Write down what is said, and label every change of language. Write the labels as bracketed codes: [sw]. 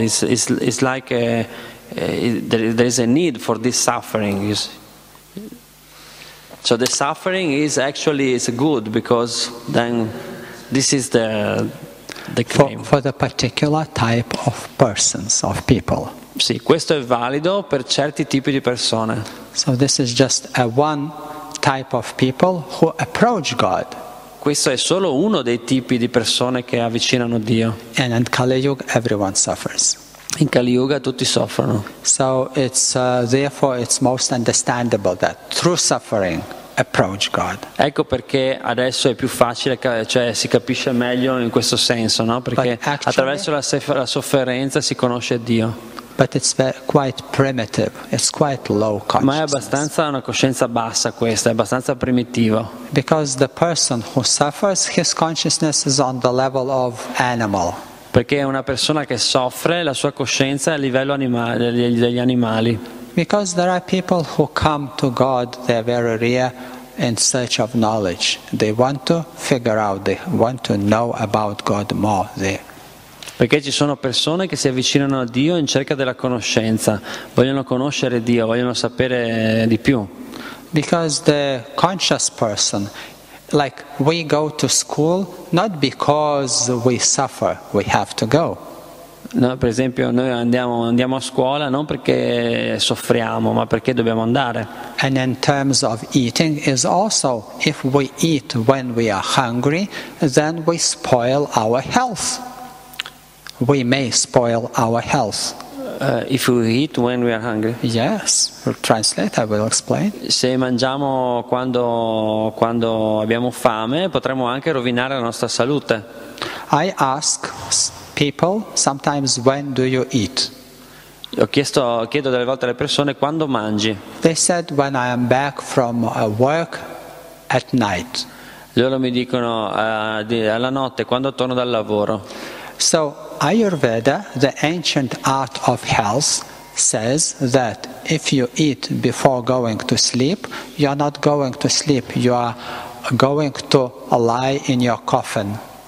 [en] It's like there is a need for this suffering. So the suffering is actually is good, because then this is the claim for the particular type of persons of people. [it] Sì, questo è valido per certi tipi di persone. [en] So this is just a one type of people who approach God. [it] questo è solo uno dei tipi di persone che avvicinano Dio. [en] And in Kali Yuga everyone suffers. [it] In Kali Yuga tutti soffrono. [en] So it's therefore it's most understandable that through suffering approach God. [it] Ecco perché adesso è più facile, cioè si capisce meglio in questo senso, no? Perché [en] actually, [it] attraverso la sofferenza si conosce Dio. [en] But it's quite primitive. It's quite low consciousness. [it] Ma è abbastanza una coscienza bassa questa, è abbastanza primitivo. [en] Because the person who suffers, his consciousness is on the level of animal. [it] Perché una persona che soffre, la sua coscienza è a livello animale, degli animali. [en] Because there are people who come to God, they're very rare, in search of knowledge. They want to figure out, they want to know about God more. [it] Perché ci sono persone che si avvicinano a Dio in cerca della conoscenza, vogliono conoscere Dio, vogliono sapere di più. [en] Because the conscious person, like we go to school not because we suffer, we have to go. [it] No, per esempio noi andiamo a scuola non perché soffriamo, ma perché dobbiamo andare. [en] And in terms of eating is also if we eat when we are hungry, then we spoil our health. We may spoil our health. If we eat when we are hungry. Yes. Translate, I will explain. [it] Se mangiamo quando abbiamo fame, potremmo anche rovinare la nostra salute. [en] I ask people sometimes when do you eat? [it] Chiedo delle volte alle persone quando mangi. [en] They said when I am back from work at night. [it] Loro mi dicono alla notte quando torno dal lavoro. [en] So Ayurveda, the ancient art of health, says that if you eat before going to sleep, you are not going to sleep, you are going to lie in your coffin.